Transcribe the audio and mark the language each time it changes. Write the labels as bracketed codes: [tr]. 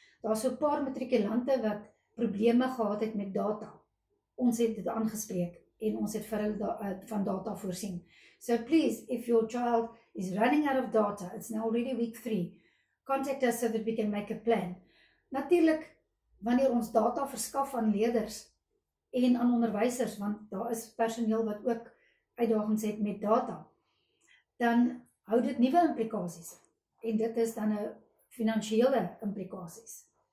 [af] Daar is so 'n paar matrikulante wat probleme gehad het met data. Ons het dit aangespreek en ons het vir hulle van data voorsien. [en] So please, if your child is running out of data, it's now already week 3, contact us so that we can make a plan. [af] Natuurlik, wanneer ons data verskaf aan leerders en aan onderwysers, want daar is personeel wat ook uitdagings het met data, dan hou dit nuwe implikasies. En dit is dan 'n finansiële implikasies.